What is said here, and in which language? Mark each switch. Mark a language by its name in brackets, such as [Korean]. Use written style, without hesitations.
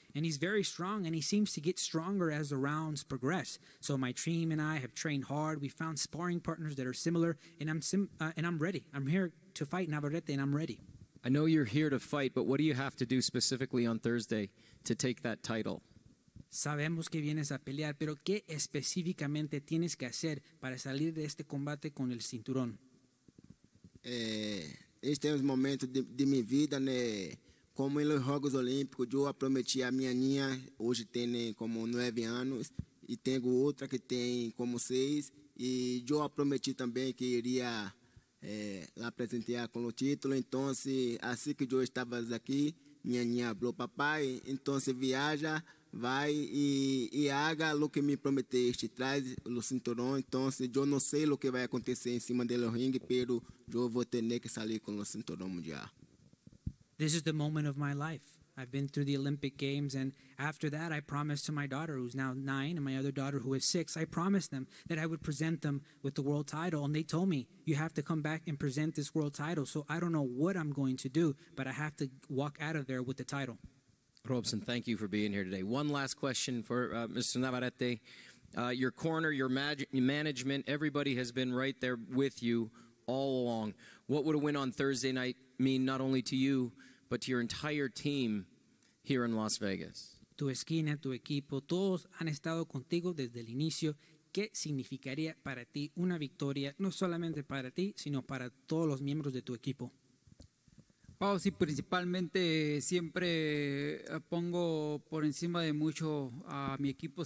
[English] And he's very strong, and he seems to get stronger as the rounds progress. So my team and I have trained hard. We found sparring partners that are similar, and I'm ready. I'm here to fight Navarrete, and I'm ready. I know you're here to fight, but what do you have to do specifically on Thursday to take that title? [Spanish] Sabemos que vienes a pelear, pero ¿qué específicamente tienes que hacer para salir de este combate con el cinturón? Este es un momento de mi vida, ¿no? Como en los Juegos Olímpicos, yo prometí a mi niña, hoy tiene como 9 años, y tengo otra que tiene como 6, y yo prometí también que iría la presentar con los títulos. Entonces, así que yo estaba aquí, mi niña habló, papá, entonces viaja, va y haga lo que me prometiste, trae el cinturón. Entonces, yo no sé lo que va a acontecer encima del ring, pero yo voy a tener que salir con el cinturón mundial. [English] This is the moment of my life. I've been through the Olympic Games, and after that, I promised to my daughter, who's now 9, and my other daughter, who is 6, I promised them that I would present them with the world title, and they told me, you have to come back and present this world title. So I don't know what I'm going to do, but I have to walk out of there with the title. Robson, thank you for being here today. One last question for Mr. Navarrete. Your corner, your management, everybody has been right there with you all along. What would a win on Thursday night mean not only to you, but to your entire team here in Las Vegas? [Spanish] Tu esquina, tu equipo, todos han estado contigo desde el inicio. ¿Qué significaría para ti una victoria, no solamente para ti, sino para todos los miembros de tu equipo? Oh, sí, principalmente siempre pongo por encima de mucho a mi equipo.